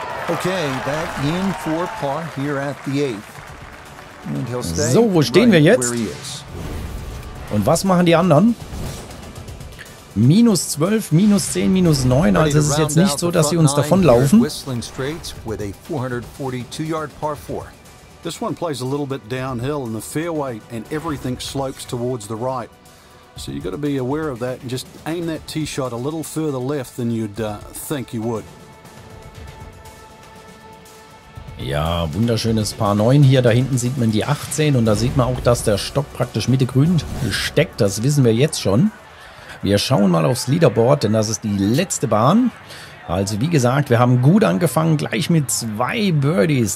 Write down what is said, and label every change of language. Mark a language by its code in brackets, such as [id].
[en] Okay, back in for par here at the eighth. And he'll stay. [de] So, wo stehen wir jetzt? Und was machen die anderen? Minus 12, minus 10, minus 9. Also es ist jetzt nicht so, dass sie uns davonlaufen. [en] Whistling Straits with a 442-yard par 4. This one plays a little bit downhill in the fairway and everything slopes towards the right. So you got to be aware of that and just aim that tee shot a little further left than you'd think you would. [de] Ja, wunderschönes Paar 9 hier. Da hinten sieht man die 18 und da sieht man auch, dass der Stock praktisch Mitte grün steckt. Das wissen wir jetzt schon. Wir schauen mal aufs Leaderboard, denn das ist die letzte Bahn. Also wie gesagt, wir haben gut angefangen, gleich mit 2 Birdies.